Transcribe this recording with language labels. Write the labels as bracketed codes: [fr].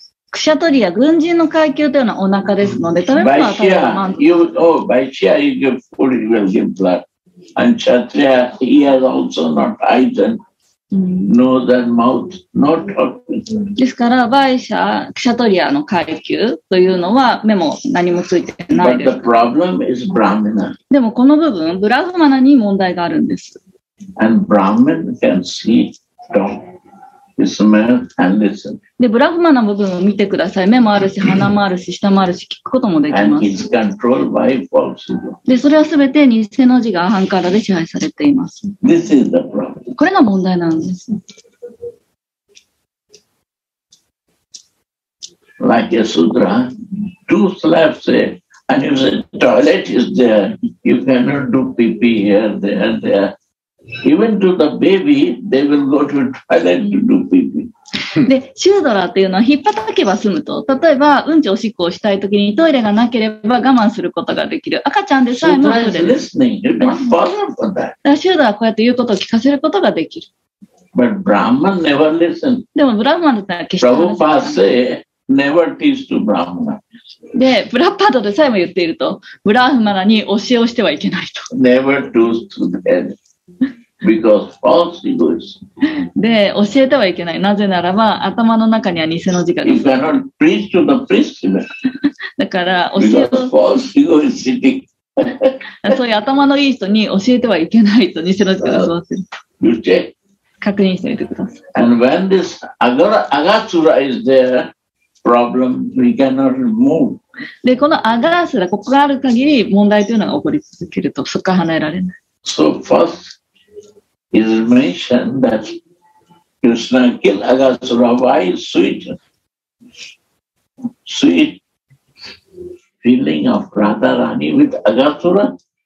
[ja] クシャトリア、軍人の階級というのはお腹ですので、食べ物は食べ物。 [en] Vaishya, you give food, he will give blood. And Kshatriya, he has also not eyes and Nose and mouth, not talking. [ja] ですから、バイシャ、クシャトリアの階級というのは目も何もついてないです。 [en] But the problem is Brahmana. [ja] でもこの部分、ブラフマナに問題があるんです。 [en] And Brahman can see, talk, smell and listen. [ja] で、ブラフマナ部分を見てください。目もあるし、鼻もあるし、舌もあるし、聞くこともできます。 [en] And he's controlled by false ego. [ja] で、それはすべて偽の字がアハンカラで支配されています。 [en] This is the problem. [ja] これが問題なんです。 [en] Like a sutra, two slabs say, and if the toilet is there, you cannot do pee pee here, there, there. Even to the baby, they will go to toilet to do pee pee. [ja] で、シュードラっていうのは引っ叩けば済むと、例えばうんちおしっこをしたいときにトイレがなければ我慢することができる。赤ちゃんでさえもトイレです。シュードラはこうやって言うことを聞かせることができる。 [en] But Brahman never listened. [ja] でもブラフマンだったら決して [en] 。 Prabhupada say never teach to Brahmana. [ja] で、ブラッパードでさえも言っていると、ブラフマナに教えをしてはいけないと。 [en] Never do to them. Because false ego is. [ja] で、教えてはいけない。なぜならば、頭の中には偽の字が。 [en] You cannot preach to the priest. [ja] だから、教えを。 [en] Because false ego is sitting. [ja] そういう頭のいい人に教えてはいけないと偽の字が出ます。 [en] You check. [ja] 確認してみてください。 [en] And when this agasura is there, problem, we cannot move. [ja] で、このアガスラ、ここがある限り、問題というのが起こり続けると、そこから離れられない。 [en] So firstIs mentioned that Krishna killed Agasura. Why is sweet? Sweet feeling of Radha Rani with Agasura?